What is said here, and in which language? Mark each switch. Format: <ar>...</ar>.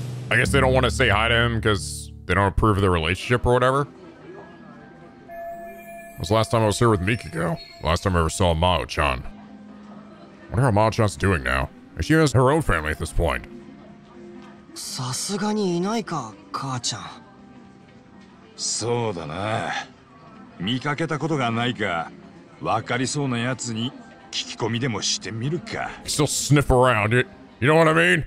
<en>I guess they don't want to say hi to him because they don't approve of their relationship or whatever. It was the last time I was here with Mikiko. Last time I ever saw Mao-chan. I wonder how Mao-chan's doing now. She has her own family at this point.</en> <ja>さすがにいないか、母ちゃん。そうだな。見かけたことがないか、わかりそうなやつに聞き込みでもしてみるか。</ja> <en>You still sniff around, you know what I mean?</en>